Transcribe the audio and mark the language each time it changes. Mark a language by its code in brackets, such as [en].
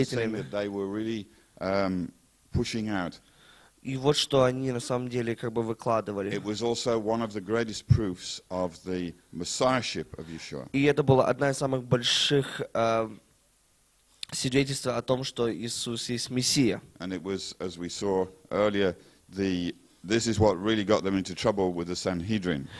[en] This was the thing that they were really pushing out. [ru] И вот что они на самом деле как бы выкладывали. [en] It was also one of the greatest proofs of the messiahship of Yeshua. [ru] И это было одна из самых больших свидетельств о том, что Иисус есть Мессия. [en] And it was, as we saw earlier, this is what really got them into trouble with the Sanhedrin.